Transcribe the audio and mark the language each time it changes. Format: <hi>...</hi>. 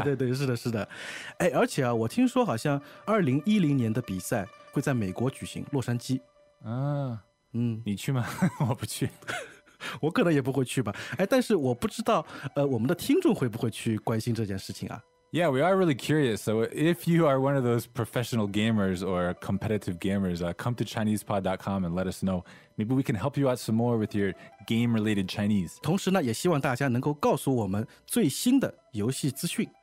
<zh>对对对，是的是的。哎，而且啊，我听说好像2010年的比赛会在美国举行，洛杉矶。啊，嗯，你去吗？我不去。我可能也不会去吧。哎，但是我不知道我们的听众会不会去关心这件事情啊。</zh> <en>Yeah, we are really curious. So if you are one of those professional gamers or competitive gamers, come to ChinesePod.com and let us know. Maybe we can help you out some more with your game-related Chinese.</en> <zh>同时呢，也希望大家能够告诉我们最新的游戏资讯。</zh>